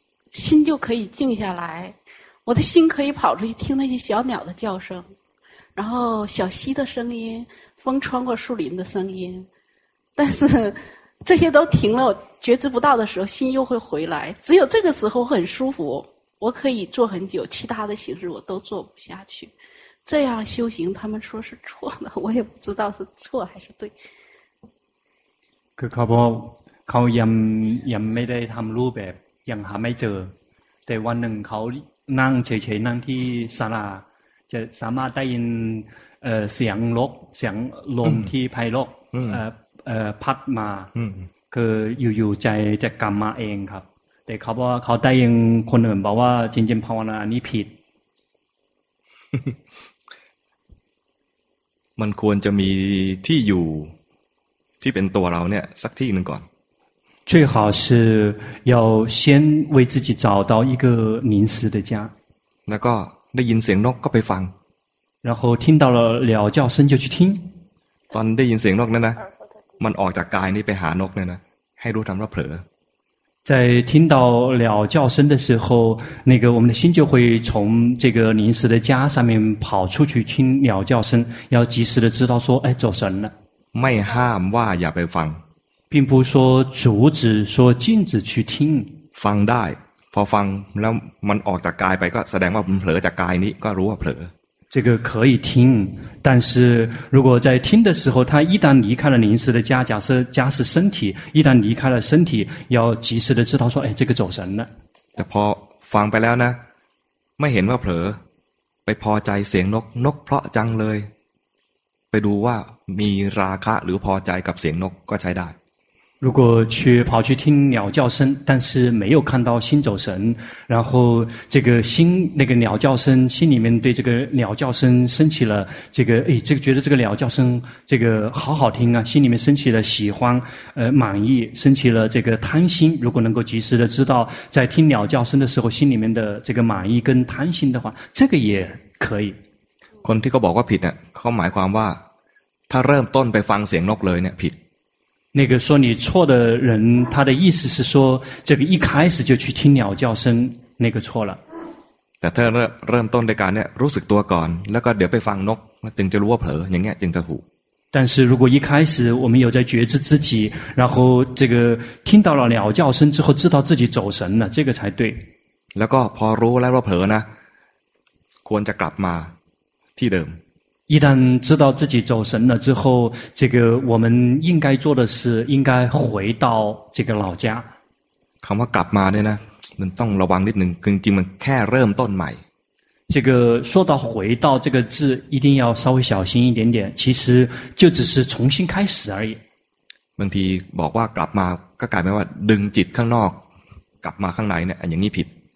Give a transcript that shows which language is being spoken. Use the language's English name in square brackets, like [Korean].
[Chinese] 心就可以静下来我的心可以跑出去听那些小鸟的叫声然后小溪的声音风穿过树林的声音但是这些都停了我觉知不到的时候心又会回来只有这个时候很舒服我可以坐很久其他的形式我都坐不下去这样修行他们说是错的我也不知道是错还是对 [Thai] คือเขายังไม่ได้ทำรูปแบบยังหาไม่เจอแต่วันหนึ่งเขานั่งเฉยๆนั่งที่ศาลาจะสามารถได้ยินเสียงลมที่ไพเราะ พัดมาคืออยู่ๆใจจะกรรมมาเองครับแต่เขาว่าเขาได้ยังคนอื่นบอกว่าจริงๆภาวนานี้ผิด มันควรจะมีที่อยู่ที่เป็นตัวเราเนี่ยสักที่หนึ่งก่อน [Chinese] 最好是要先为自己找到一个临时的家 [Thai] แล้วก็ได้ยินเสียงนกก็ไปฟัง [Chinese] 然后听到了鸟叫声就去听 [Thai] ตอนได้ยินเสียงนกนั่นนะมันออกจากกายนี้ไปหานกเนี่ยนะให้รู้ทันว่าเผลอ [Chinese] 在听到鸟叫声的时候那个我们的心就会从这个临时的家上面跑出去听鸟叫声要及时的知道说哎走神了 [Thai] ไม่ห้ามว่าอย่าไปฟัง [Chinese] 并不说阻止说禁止去听 [Thai] ฟังได้พอฟังแล้วมันออกจากกายไปก็แสดงว่ามันเผลอจากกายนี้ก็รู้ว่าเผลอ [Chinese] 这个可以听但是如果在听的时候他一旦离开了临时的家假设家是身体一旦离开了身体要及时的知道说哎这个走神了 [Thai] แต่พอฟังไปแล้วนะไม่เห็นว่าเผลอไปพอใจเสียงนกนกเพราะจังเลยไปดูว่ามีราคะหรือพอใจกับเสียงนกก็ใช้ได้ [Chinese] 如果去跑去听鸟叫声但是没有看到心走神然后这个心那个鸟叫声心里面对这个鸟叫声升起了这个诶这个觉得这个鸟叫声这个好好听啊心里面升起了喜欢满意升起了这个贪心如果能够及时的知道在听鸟叫声的时候心里面的这个满意跟贪心的话这个也可以 [Thai] คนที่เขาบอกว่าผิดเนี่ยเขาหมายความว่าถ้าเริ่มต้นไปฟังเสียงนกเลยเนี่ยผิด [Chinese] 那个说你错的人他的意思是说这个一开始就去听鸟叫声那个错了 [Thai] แต่ถ้าเริ่มต้นในการเนี่ยรู้สึกตัวก่อนแล้วก็เดี๋ยวไปฟังนกจึงจะรู้ว่าเผลออย่างเงี้ยจึงจะถูก [Chinese] 但是如果一开始我们有在觉知自己然后这个听到了鸟叫声之后知道自己走神了这个才对 [Thai] แล้วก็พอรู้แล้วว่าเผลอนะควรจะกลับมาที่เดิม [Chinese] 一旦知道自己走神了之后这个我们应该做的是应该回到这个老家 [Thai] คำว่ากลับมาเนี่ยนะมันต้องระวังนิดนึงจริงๆมันแค่เริ่มต้นใหม่ [Chinese] 这个说到回到这个字一定要稍微小心一点点其实就只是重新开始而已 [Thai] บางทีบอกว่ากลับมาก็กลายเป็นว่าดึงจิตข้างนอกกลับมาข้างในเนี่ยอย่างนี้ผิด